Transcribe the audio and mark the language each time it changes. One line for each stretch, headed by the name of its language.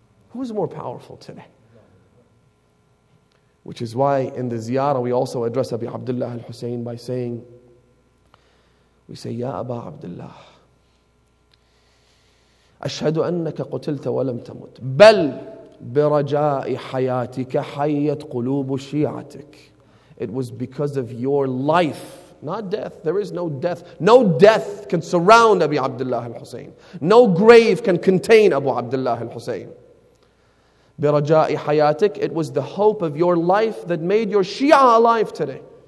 English: Who is more powerful today? Which is why in the ziyarah we also address Abi Abdullah al-Hussein by saying, we say,
Arabic: Ya Aba Abdullah, Ashhadu annaka qutilta wa lam tamut. Bal بِرَجَاءِ حَيَاتِكَ حَيَّتْ قُلُوبُ شِيَعَتِكَ.
English: It was because of your life, not death. There is no death. No death can surround Abi Abdullah al-Hussein. No grave can contain Abu Abdullah al-Hussein.
Arabic: بِرَجَاءِ حَيَاتِكَ.
English: It was the hope of your life that made your Shia alive today.